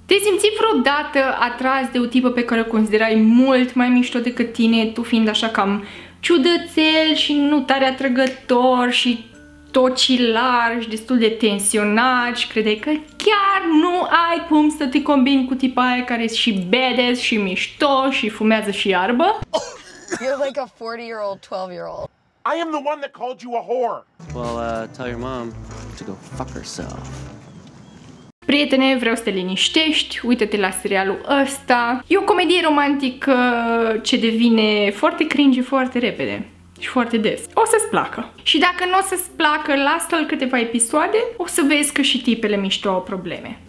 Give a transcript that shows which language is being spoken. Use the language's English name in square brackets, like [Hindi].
[Romanian] Te-ai simțit vreodată atras de o tipă pe care o considerai mult mai mișto decât tine, tu fiind așa cam ciudățel și nu tare atrăgător și tocilar și destul de tensionat și credeai că chiar nu ai cum să te combini cu tipa aia care e și badass și mișto și fumează și iarbă? [English] You're like a 40-year-old, 12-year-old. I am the one that called you a whore. Well, tell your mom to go fuck herself. [Romanian] Prietene, vreau să te liniștești, uită-te la serialul ăsta. E o comedie romantică ce devine foarte cringe foarte repede. Și foarte des. O să-ți placă. Și dacă nu o să-ți placă, lasă-l câteva episoade, o să vezi că și tipele mișto au probleme.